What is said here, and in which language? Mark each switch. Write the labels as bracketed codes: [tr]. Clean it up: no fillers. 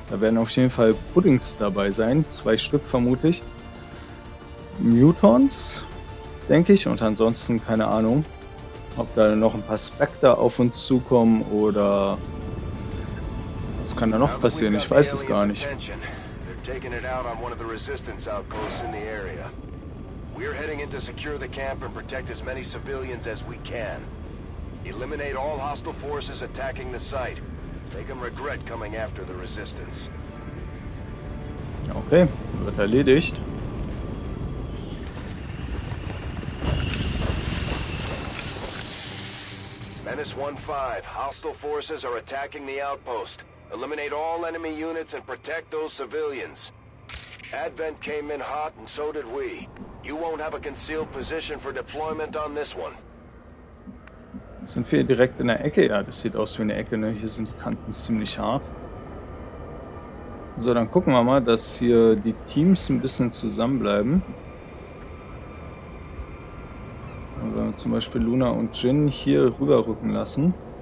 [de] Da werden auf jeden Fall Puddings dabei sein. 2 Stück vermutlich. Mutons, denke ich. Und ansonsten keine Ahnung, ob da noch ein paar Spectre auf uns zukommen oder was kann da noch passieren? Ich weiß es gar nicht. [en] They're taking it out on one of the resistance outposts in the area. We're heading in to secure the camp and protect as many civilians as we can. Eliminate all hostile forces attacking the site. Make them regret coming after the resistance. [de] Okay, wird erledigt. [en] Menace 1-5, hostile forces are attacking the outpost. Eliminate all enemy units and protect those civilians. Advent came in hot and so did we. You won't have a concealed position for deployment on this one. [de] Sind wir direkt in der Ecke? Ja, das sieht aus wie eine Ecke, ne? Hier sind die Kanten ziemlich hart. So, dann gucken wir mal, dass hier die Teams ein bisschen zusammenbleiben. Und wenn wir zum Beispiel Luna und Jin hier rüberrücken lassen.